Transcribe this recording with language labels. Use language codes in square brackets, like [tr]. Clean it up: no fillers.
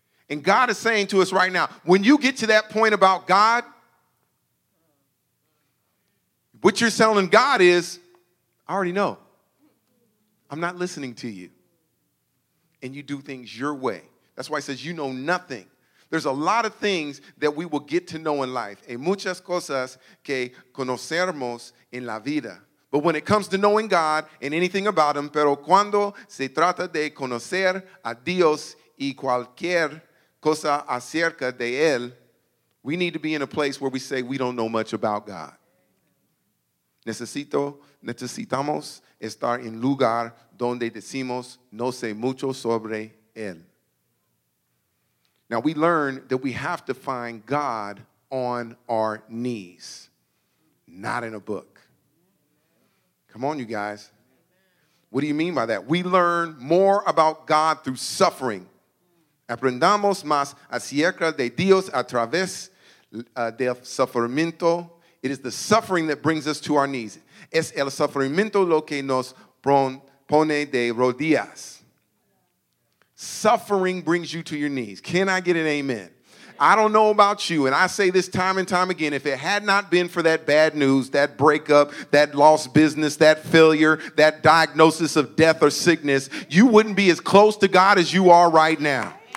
[en] And God is saying to us right now, when you get to that point about God, what you're telling God is, I already know. I'm not listening to you. And you do things your way. That's why he says, you know nothing. There's a lot of things that we will get to know in life. [es] Hay muchas cosas que conocemos en la vida. [en] But when it comes to knowing God and anything about Him, [es] pero cuando se trata de conocer a Dios y cualquier cosa acerca de Él, [en] we need to be in a place where we say we don't know much about God. [es] Necesitamos estar en lugar donde decimos no sé mucho sobre Él. [en] Now we learn that we have to find God on our knees, not in a book. Come on, you guys. What do you mean by that? We learn more about God through suffering. [es] Aprendamos más acerca de Dios a través del sufrimiento. [en] It is the suffering that brings us to our knees. [es] Es el sufrimiento lo que nos pone de rodillas. [en] Suffering brings you to your knees. Can I get an amen? I don't know about you, and I say this time and time again, if it had not been for that bad news, that breakup, that lost business, that failure, that diagnosis of death or sickness, you wouldn't be as close to God as you are right now.